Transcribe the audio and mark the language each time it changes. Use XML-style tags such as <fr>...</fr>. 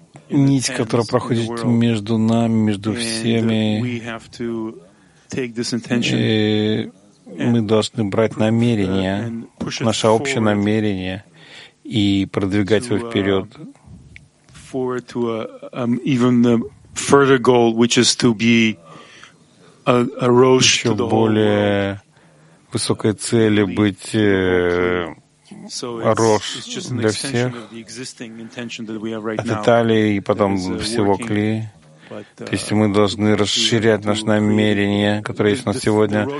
<ru>нить, которая проходит между нами, между всеми.</ru> <en>We have to take this intention.</en> <ru>Мы должны брать намерение, наше общее намерение и продвигать его вперед.</ru> <en>Forward to even the further goal, which is to be a rosh to the whole world.</en> <ru>Еще более высокой цели быть рош для всех от Италии и потом всего Кли. То есть мы должны расширять наше намерение, которое есть у нас сегодня.</ru>